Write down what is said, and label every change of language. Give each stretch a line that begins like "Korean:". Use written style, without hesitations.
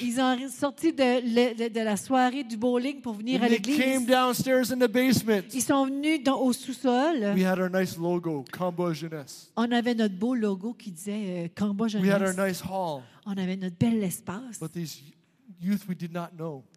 French: Ils ont sorti de la soirée du bowling pour venir
English: And
French: à l'église.
English: They came downstairs in the basement.
French: Ils sont venus dans au sous-sol.
English: We had our nice logo, Combo Jeunesse.
French: On avait notre beau logo qui disait Combo Jeunesse.
English: We had our nice hall.
French: On avait notre bel espace.
English: But these youth we did not know.